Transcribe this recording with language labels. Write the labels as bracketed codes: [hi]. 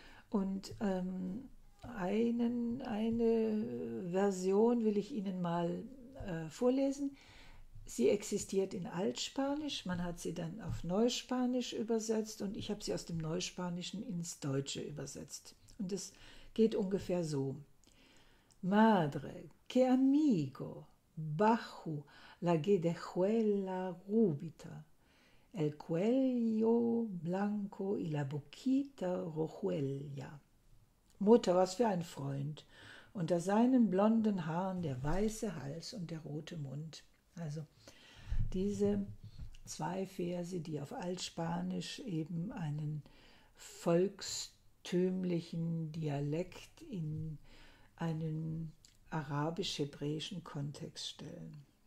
[de] Und eine Version will ich Ihnen mal vorlesen. Sie existiert in Altspanisch, man hat sie dann auf Neuspanisch übersetzt und ich habe sie aus dem Neuspanischen ins Deutsche übersetzt. Und es geht ungefähr so. [es] Madre, que amigo, bajo la guedejuela rubita, el cuello blanco y la boquita rojuela. [de] Mutter, was für ein Freund, unter seinen blonden Haaren der weiße Hals und der rote Mund. Also diese zwei Verse, die auf Altspanisch eben einen volkstümlichen Dialekt in einen arabisch-hebräischen Kontext stellen.